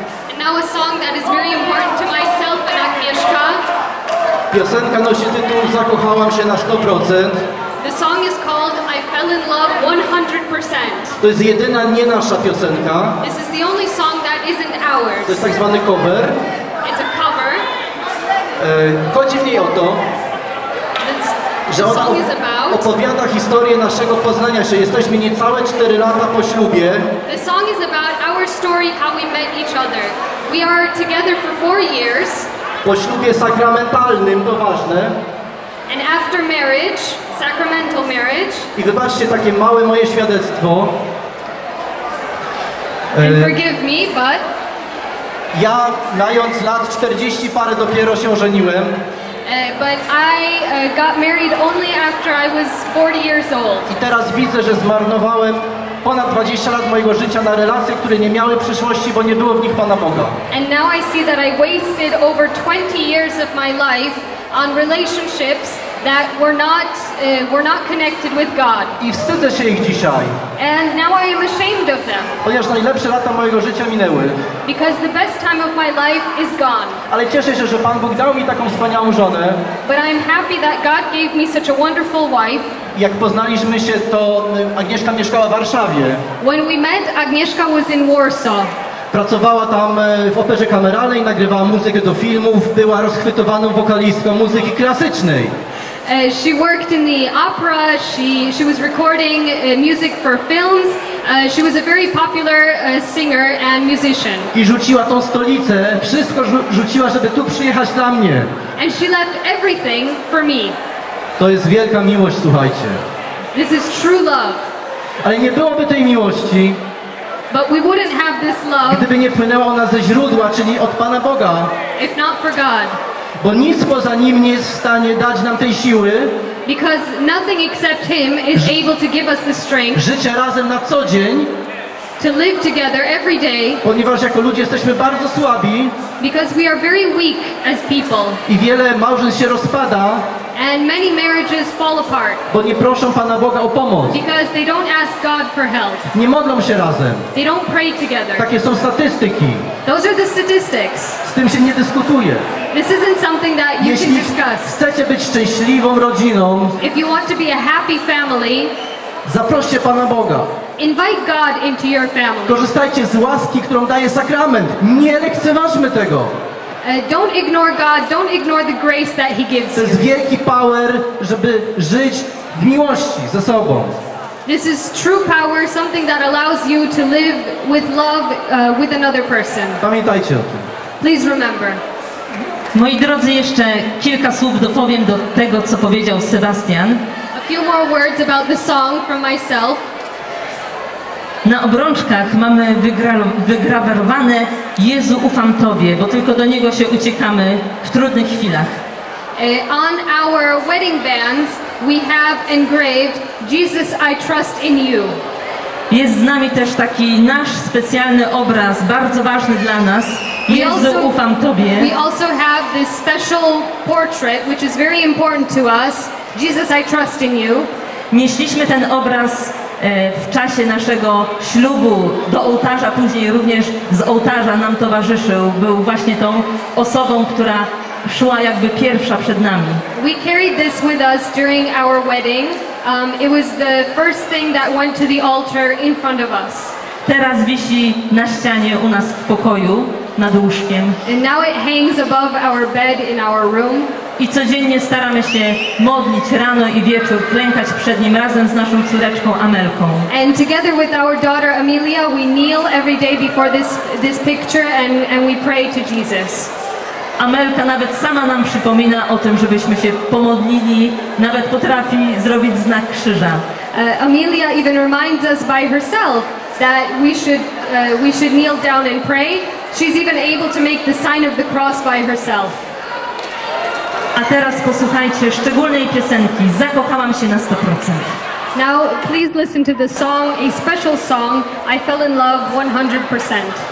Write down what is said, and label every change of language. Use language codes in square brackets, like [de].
[en] And now a song that is very important to myself and Agnieszka. [pl] Piosenka nosi tytuł Zakochałam się na 100%. [en] The song is called I Fell in Love 100%. [pl] To jest jedyna nie nasza piosenka. [en] This is the only song that isn't ours. [pl] To jest tak zwany cover. [en] It's a cover. [pl] Chodzi w niej o to, że ona opowiada historię naszego poznania się. Jesteśmy niecałe 4 lata po ślubie. [en] The song is about our story, how we met each other. We are together for 4 years. [pl] Po ślubie sakramentalnym, to ważne. [en] And after marriage, sacramental marriage. [pl] I wybaczcie takie małe moje świadectwo. [en] And forgive me, but... [pl] Ja, mając lat 40 parę, dopiero się ożeniłem. [en] But I got married only after I was 40 years old. [pl] I teraz widzę, że zmarnowałem ponad 20 lat mojego życia na relacje, które nie miały przyszłości, bo nie było w nich Pana Boga. [en] And now I see that I wasted over 20 years of my life on relationships that were not connected with God. [pl] I wstydzę się ich dzisiaj. [en] And now I am ashamed of them. [pl] Ponieważ najlepsze lata mojego życia minęły. [en] Because the best time of my life is gone. [pl] Ale cieszę się, że Pan Bóg dał mi taką wspaniałą żonę. [en] But I'm happy that God gave me such a wonderful wife. [pl] Jak poznaliśmy się, to Agnieszka mieszkała w Warszawie. [en] When we met, Agnieszka was in Warsaw. [pl] Pracowała tam w operze kameralnej, nagrywała muzykę do filmów, była rozchwytowaną wokalistką muzyki klasycznej. [en] She worked in the opera, she was recording music for films, she was a very popular singer and musician. [pl] I rzuciła tą stolicę, wszystko rzuciła, żeby tu przyjechać dla mnie. [en] And she left everything for me. [pl] To jest wielka miłość, słuchajcie. [en] This is true love. [pl] Ale nie byłoby tej miłości, [en] but we wouldn't have this love, [pl] gdyby nie płynęła ona ze źródła, czyli od Pana Boga. [en] If not for God. [pl] Bo nic poza Nim nie jest w stanie dać nam tej siły. [en] Because nothing except Him is able to give us the strength. [pl] Życie razem na co dzień. [en] To live together every day. [pl] Ponieważ jako ludzie jesteśmy bardzo słabi. [en] Because we are very weak as people. [pl] I wiele małżeństw się rozpada. [en] And many marriages fall apart. [pl] Bo nie proszą Pana Boga o pomoc. [en] Because they don't ask God for help. [pl] Nie modlą się razem. [en] They don't pray together. [pl] Takie są statystyki. [en] Those are the statistics. [pl] Z tym się nie dyskutuje. [en] This isn't something that you [pl] Jeśli [en] can discuss. [pl] Chcecie być szczęśliwą rodziną, [en] if you want to be a happy family, [pl] zaproście Pana Boga. [en] Invite God into your family. [pl] Korzystajcie z łaski, którą daje sakrament. Nie lekceważmy tego. [en] Don't ignore God, don't ignore the grace that He gives you. [pl] To jest wielki power, żeby żyć w miłości ze sobą. [en] This is true power, something that allows you to live with love with another person. [pl] Pamiętajcie o tym. [en] Please remember. [pl] Moi drodzy, jeszcze kilka słów dopowiem do tego, co powiedział Sebastian. [en] A few more words about the song from myself. [pl] Na obrączkach mamy wygrawerowane Jezu, ufam Tobie, bo tylko do Niego się uciekamy w trudnych chwilach. [en] On our wedding bands we have engraved Jesus, I trust in you. [pl] Jest z nami też taki nasz specjalny obraz, bardzo ważny dla nas. Jezu, ufam Tobie. [en] We also have this special portrait, which is very important to us. Jesus, I trust in you. [pl] Nieśliśmy ten obraz w czasie naszego ślubu do ołtarza, później również z ołtarza nam towarzyszył. Był właśnie tą osobą, która szła jakby pierwsza przed nami. [en] We carried this with us during our wedding. It was the first thing that went to the altar in front of us. [pl] Teraz wisi na ścianie u nas w pokoju nad łóżkiem. [en] And now it hangs above our bed in our room. [pl] I codziennie staramy się modlić rano i wieczór, klękać przed Nim razem z naszą córeczką Amelką. [en] And together with our daughter Amelia, we kneel every day before this picture and we pray to Jesus. [pl] Amelka nawet sama nam przypomina o tym, żebyśmy się pomodlili, nawet potrafi zrobić znak krzyża. [en] Amelia even reminds us by herself that we should kneel down and pray. She's even able to make the sign of the cross by herself. [pl] A teraz posłuchajcie szczególnej piosenki Zakochałam się na 100%. [en] Now please listen to the song, a special song, I Fell in Love 100%.